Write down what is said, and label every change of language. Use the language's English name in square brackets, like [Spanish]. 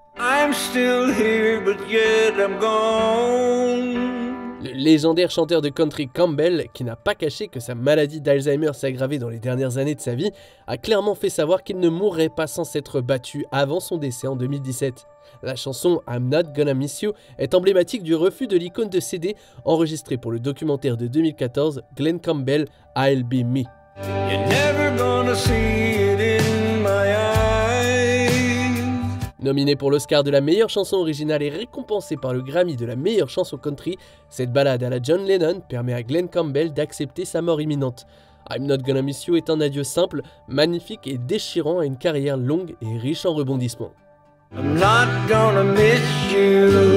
[English] I'm still here, but yet I'm gone. [French] Le légendaire chanteur de country Campbell, qui n'a pas caché que sa maladie d'Alzheimer s'est aggravée dans les dernières années de sa vie, a clairement fait savoir qu'il ne mourrait pas sans s'être battu avant son décès en 2017. La chanson I'm Not Gonna Miss You est emblématique du refus de l'icône de CD enregistré pour le documentaire de 2014 Glen Campbell I'll Be Me. [English] You're never gonna see it in my eyes. [French] Nominé pour l'Oscar de la meilleure chanson originale et récompensé par le Grammy de la meilleure chanson country, cette ballade à la John Lennon permet à Glen Campbell d'accepter sa mort imminente. I'm Not Gonna Miss You est un adieu simple, magnifique et déchirant à une carrière longue et riche en rebondissements. [English] I'm not gonna miss you.